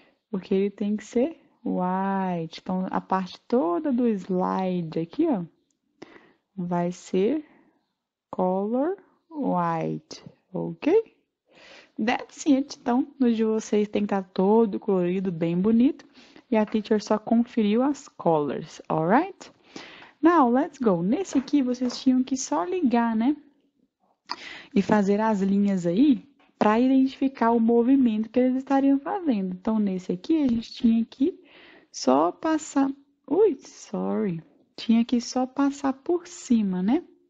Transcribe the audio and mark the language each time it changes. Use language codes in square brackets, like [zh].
[pt] Porque ele tem que ser white. Então, a parte toda do slide aqui, ó, vai ser color white. Ok? [en] That's it. [pt] Então, no de vocês tem que estar todo colorido, bem bonito. E a teacher só conferiu as colors, alright? [en] Now, let's go. [pt] Nesse aqui, vocês tinham que só ligar, né? E fazer as linhas aí para identificar o movimento que eles estariam fazendo. Então, nesse aqui, a gente tinha que só passar. Ui, sorry. Tinha que só passar por cima, né?